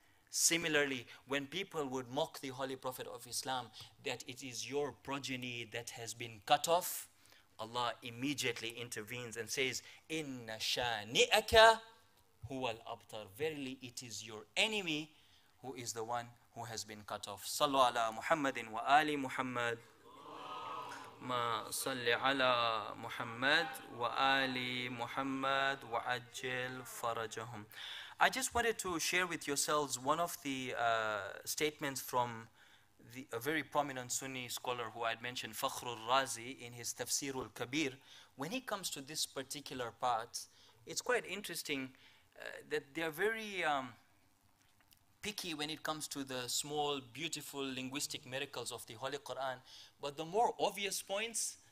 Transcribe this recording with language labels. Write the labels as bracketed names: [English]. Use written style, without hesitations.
[English] Similarly, when people would mock the Holy Prophet of Islam, that it is your progeny that has been cut off, Allah immediately intervenes and says, [Arabic] Inna shani'aka huwa al-abtar. [English] Verily, it is your enemy who is the one who has been cut off. [Arabic] Sallu ala Muhammadin wa Ali Muhammad. ما صلي على محمد وآل محمد وعجل فرجهم. [English] I just wanted to share with yourselves one of the statements from a very prominent Sunni scholar who I had mentioned, Fakhrul Razi, in his Tafsirul Kabir. When he comes to this particular part, it's quite interesting that they are very picky when it comes to the small, beautiful linguistic miracles of the Holy Quran. But the more obvious points,